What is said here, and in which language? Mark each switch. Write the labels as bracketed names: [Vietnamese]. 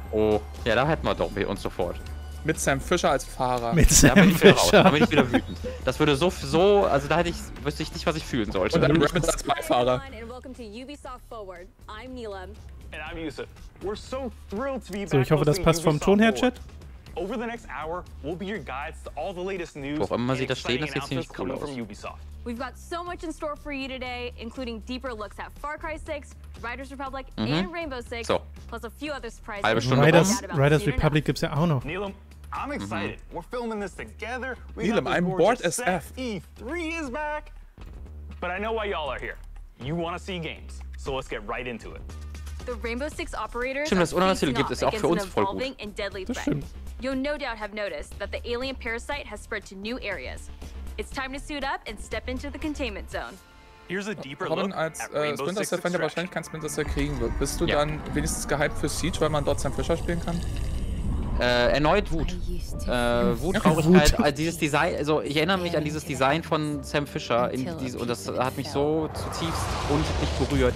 [German] Oh, ja, da hätten wir doch uns sofort. Mit Sam Fischer als Fahrer. Mit Sam Fischer. Da bin ich wieder wütend. Das würde so, also da hätte ich, wüsste ich nicht, was ich fühlen sollte. Und dann Rabbids als Beifahrer. So, ich hoffe, das passt vom Ton her, Chat. [English] Over the next hour, we'll be your guides to all the latest news. [German] Wo auch immer sie da stehen, das sieht ziemlich cool aus. [English] We've got so much in store for you today, including deeper looks at Far Cry 6, Riders Republic and Rainbow Six, so. Plus a few other surprises. [German] Halbe Stunde Riders Republic gibt's ja auch noch. [English] Neelam, I'm excited. We're filming this together. Neelam, I'm bored as F. E3 is back. But I know why y'all are here. You want to see games. So let's get right into it. The Rainbow Six operators. [German] Stimmt, das Unternehmen gibt es auch für uns voll gut. Das stimmt. [English] You'll no doubt have noticed that the alien parasite has spread to new areas. It's time to suit up and step into the containment zone. Here's a deeper look. [German] Robin, als Splinter Cell Fan, der wahrscheinlich kein Splinter Cell kriegen wird. Bist du dann wenigstens gehypt für Siege, weil man dort Sam Fischer spielen kann? Erneut Wut. Wut, Traurigkeit. Also dieses Design, also ich erinnere mich an dieses Design von Sam Fischer in diese, und das hat mich so zutiefst unendlich berührt.